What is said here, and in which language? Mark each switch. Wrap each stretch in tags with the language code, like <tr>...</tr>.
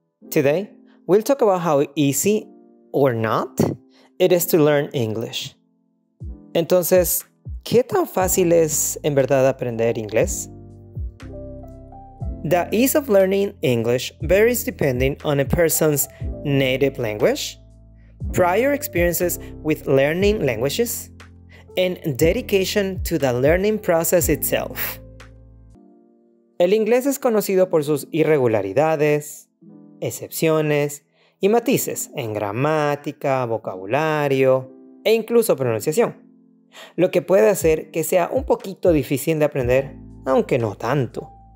<en>Today, we'll talk about how easy or not it is to learn English.</en> <es>Entonces, ¿qué tan fácil es en verdad aprender inglés?</es> <en>The ease of learning English varies depending on a person's native language, prior experiences with learning languages, and dedication to the learning process itself.</en> <es>El inglés es conocido por sus irregularidades, excepciones y matices en gramática, vocabulario e incluso pronunciación, lo que puede hacer que sea un poquito difícil de aprender, aunque no tanto.</es>